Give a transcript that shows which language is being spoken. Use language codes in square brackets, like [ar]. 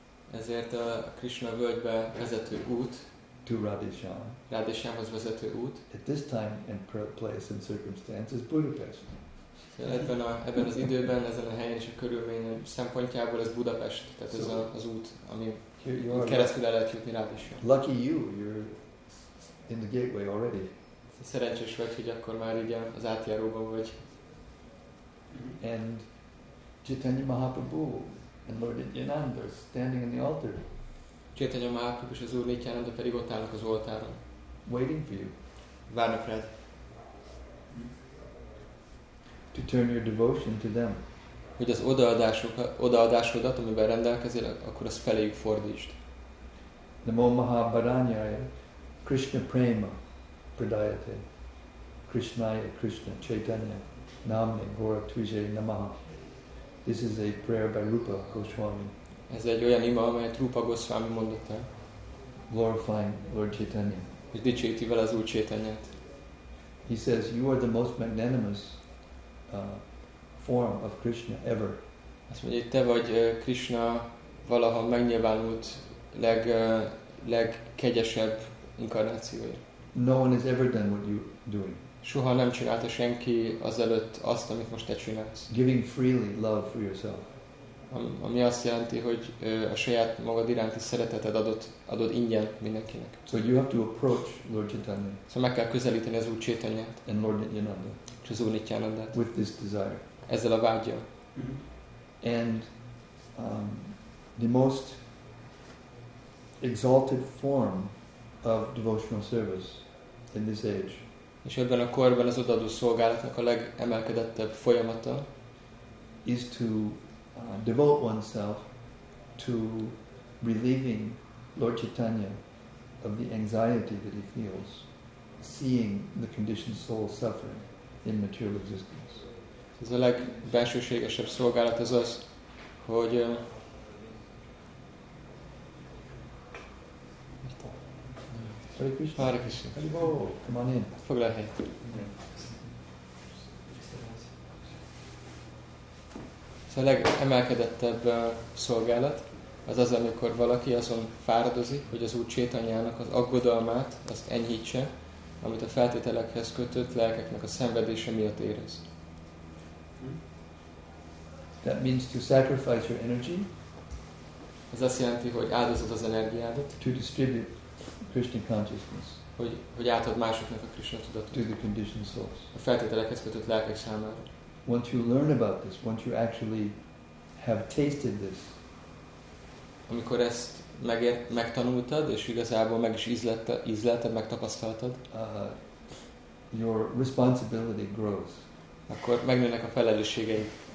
[hu] Ezért a Krishna völgybe vezető út. [en] To Radhisham. [hu] Radhishamhoz vezető út. [en] At this time and place and circumstance is Budapest. [hu] Ebben az időben, ezen a helyen és a körülmény szempontjából ez Budapest, tehát ez az út, ami keresztül el lehet jutni rád is. [en] Lucky you, you're in the gateway already. [hu] Szerencsés vagy, hogy akkor már így az átjáróban vagy. [en] And Chaitanya Mahaprabhu and Lord Nityananda are standing in the altar. [hu] Chaitanya Mahaprabhu és az Úr Nityananda pedig ott állnak az oltáron. [en] Waiting for you. [hu] Várnak rád. [en] To turn your devotion to them. [hu] Hogy az odaadásodat, amiben rendelkezel, akkor az feléjük fordítsd. [sa] Namo Mahabharanyaya Krishna Prema Pradayate Krishnaya Krishna Chaitanya Namne Gaura Tvijay Namaha. [en] This is a prayer by Rupa Goswami. [hu] Ez egy olyan ima, amelyet Rupa Goswami mondott el. [en] Glorifying Lord Chaitanya. [hu] És dicsőíti vele az Úr Chaitanyát. [en] He says, you are the most magnanimous form of Krishna ever. [hu] Azt mondja, hogy te vagy Krishna valaha megnyilvánult legkegyesebb inkarnációja. [en] No one has ever done what you doing. [hu] Soha nem csinálta senki azelőtt azt, amit most te csinálsz. [en] Giving freely love for yourself. [hu] Ami azt jelenti, hogy a saját magad iránti szereteted adod ingyen mindenkinek. [en] So you have to approach Lord Chaitanya. [hu] Szóval meg kell közelíteni az Úr Chaitanyát. [en] And Lord Nityananda. [hu] És Úr Nityanandát. [en] With this desire. [hu] Ezzel a vágyjal. [en] And the most exalted form of devotional service in this age. [hu] És ebben a korban az odaadó szolgálatnak a legemelkedettebb folyamata [en] is to devote oneself to relieving Lord Chaitanya of the anxiety that he feels seeing the conditioned soul suffering in material existence. [hu] Ez a legbelsőségesebb szolgálat az az, hogy [sa] Hare Krishna. Hare Krishna. [en] Hare Bo. Come on in. [hu] Foglalj helyet. A legemelkedettebb szolgálat az az, amikor valaki azon fáradozik, hogy az Úr Chaitanyának az aggodalmát azt enyhítse, amit a feltételekhez kötött lelkeknek a szenvedése miatt érez. [en] That means to sacrifice your energy. [hu] Ez azt jelenti, hogy áldozod az energiádat. [en] To distribute Krishna consciousness. [hu] Hogy átad másoknak a Krishna tudatot. [en] To the conditioned souls. [hu] A feltételekhez kötött lelkek számára. [en] Once you learn about this, once you actually have tasted this, [hu] amikor ezt megtanultad és igazából meg is ízlelted, megtapasztaltad, [en] your responsibility grows. [hu] Akkor megnőnek a felelősségei.